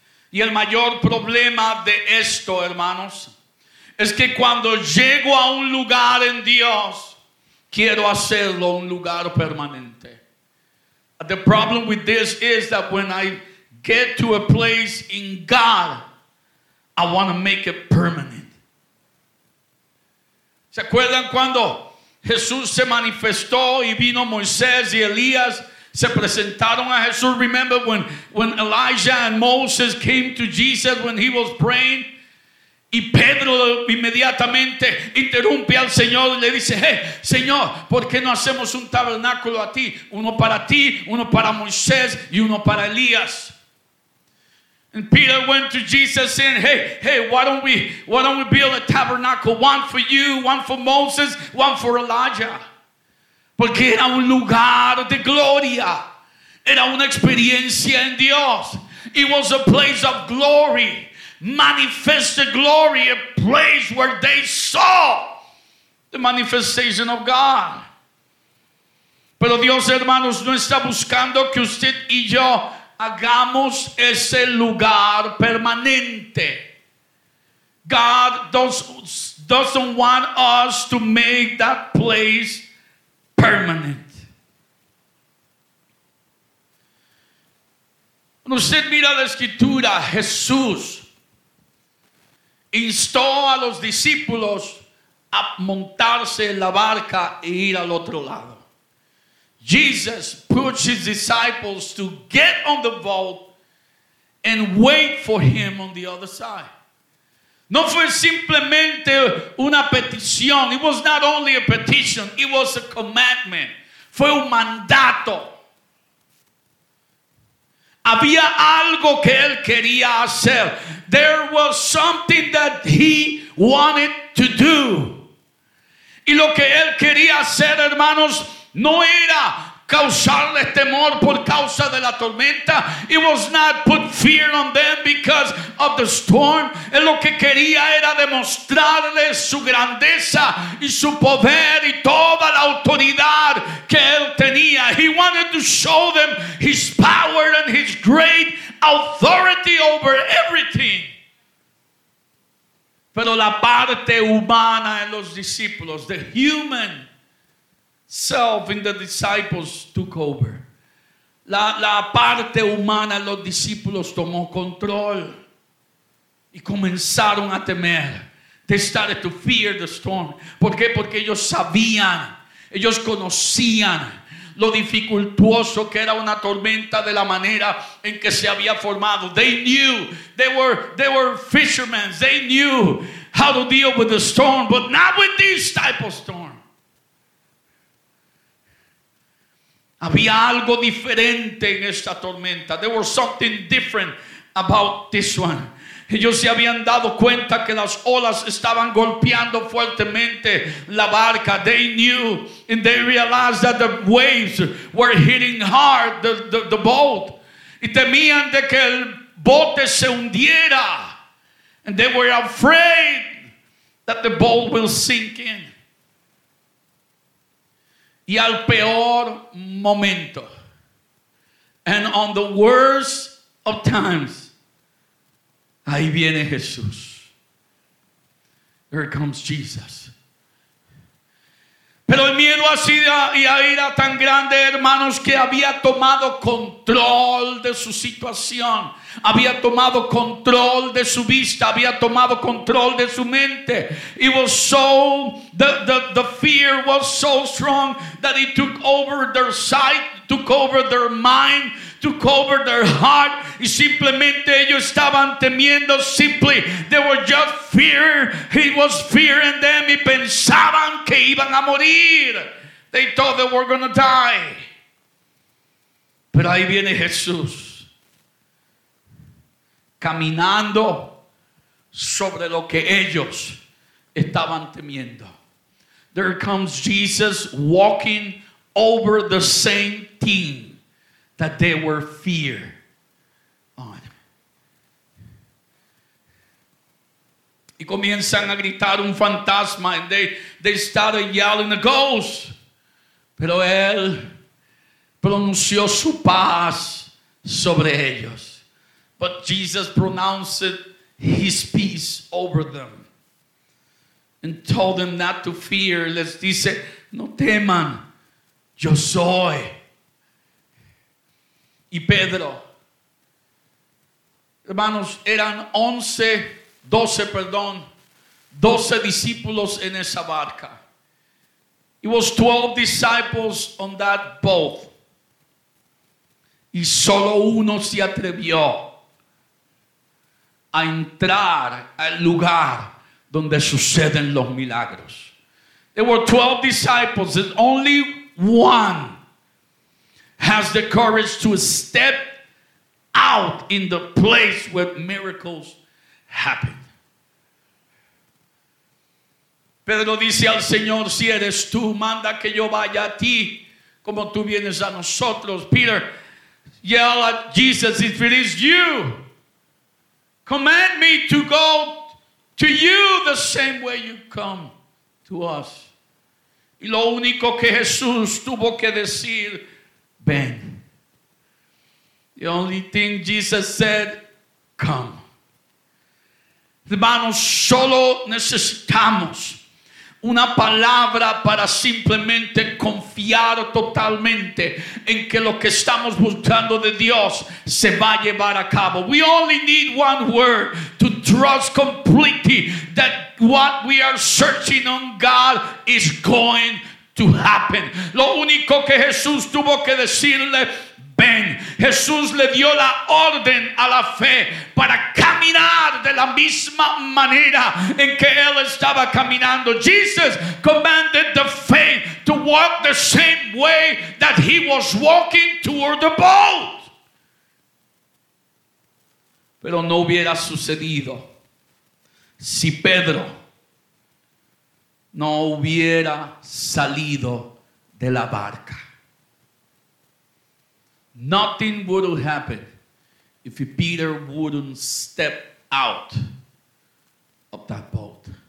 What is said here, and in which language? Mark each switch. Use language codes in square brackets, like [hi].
[es] Y el mayor problema de esto, hermanos, es que cuando llego a un lugar en Dios, quiero hacerlo un lugar permanente. [en] The problem with this is that when I get to a place in God, I want to make it permanent. [es] ¿Se acuerdan cuando Jesús se manifestó y vino Moisés y Elías? Se presentaron a Jesús. [en] Remember when Elijah and Moses came to Jesus when he was praying? [es] Y Pedro inmediatamente interrumpe al Señor y le dice: hey, Señor, ¿por qué no hacemos un tabernáculo a ti? Uno para ti, uno para Moisés y uno para Elías. [en] And Peter went to Jesus saying, hey, why don't we build a tabernacle? One for you, one for Moses, one for Elijah. [es] Porque era un lugar de gloria. Era una experiencia en Dios. [en] It was a place of glory. Manifested glory. A place where they saw the manifestation of God. [es] Pero Dios, hermanos, no está buscando que usted y yo hagamos ese lugar permanente. [en] God doesn't want us to make that place permanent. [es] Cuando usted mira la escritura, Jesús instó a los discípulos a montarse en la barca e ir al otro lado. [en] Jesus pushed his disciples to get on the boat and wait for him on the other side. [es] No fue simplemente una petición. [en] It was not only a petition. It was a commandment. [es] Fue un mandato. Había algo que él quería hacer. [en] There was something that he wanted to do. [es] Y lo que él quería hacer, hermanos, no era causarles temor por causa de la tormenta. [en] It was not put fear on them because of the storm. [es] Él lo que quería era demostrarles su grandeza y su poder y toda la autoridad que él tenía. [en] He wanted to show them his power and his great authority over everything. [es] Pero la parte humana en los discípulos, [en] the human self in the disciples took over. [es] La parte humana, los discípulos tomó control y comenzaron a temer. [en] They started to fear the storm. [es] ¿Por qué? Porque ellos sabían, ellos conocían lo dificultoso que era una tormenta de la manera en que se había formado. [en] They knew, they were fishermen. They knew how to deal with the storm, but not with this type of storm. [es] Había algo diferente en esta tormenta. [en] There was something different about this one. [es] Ellos se habían dado cuenta que las olas estaban golpeando fuertemente la barca. [en] They knew and they realized that the waves were hitting hard the boat. [es] Y temían de que el bote se hundiera. [en] And they were afraid that the boat will sink in. [es] Y al peor momento, [en] and on the worst of times, [es] ahí viene Jesús. [en] Here comes Jesus. [es] Pero el miedo hacía y era tan grande, hermanos, que había tomado control de su situación. Había tomado control de su vista. Había tomado control de su mente. [en] It was so, the fear was so strong that it took over their sight, took over their mind, took over their heart. [es] Y simplemente ellos estaban temiendo. [en] Simply, they were just fear. He was fearing them. [es] Y pensaban que iban a morir. [en] They thought they were going to die. [es] Pero ahí viene Jesús, caminando sobre lo que ellos estaban temiendo. [en] There comes Jesus walking over the same thing that they were fear on. [es] Y comienzan a gritar un fantasma. [en] And they started yelling a ghost. [es] Pero él pronunció su paz sobre ellos. [en] But Jesus pronounced his peace over them. And told them not to fear. [es] Les dice, no teman, yo soy. Y Pedro, hermanos, eran 12 discípulos en esa barca. [en] It was 12 disciples on that boat. [es] Y solo uno se atrevió a entrar al lugar donde suceden los milagros. [en] There were 12 disciples and only one has the courage to step out in the place where miracles happen. [es] Pedro dice al Señor, si eres tú, manda que yo vaya a ti como tú vienes a nosotros. [en] Peter yell at Jesus, if it is you, command me to go to you the same way you come to us. [es] Y lo único que Jesús tuvo que decir, ven. [en] The only thing Jesus said, come. [es] Hermanos, solo necesitamos una palabra para simplemente confiar totalmente en que lo que estamos buscando de Dios se va a llevar a cabo. [en] We only need one word to trust completely that what we are searching on God is going to happen. [es] Lo único que Jesús tuvo que decirle, ven. Jesús le dio la orden a la fe para caminar de la misma manera en que él estaba caminando. [en] Jesus commanded the faith to walk the same way that he was walking toward the boat. [es] Pero no hubiera sucedido si Pedro no hubiera salido de la barca. [en] Nothing would have happened if Peter wouldn't step out of that boat.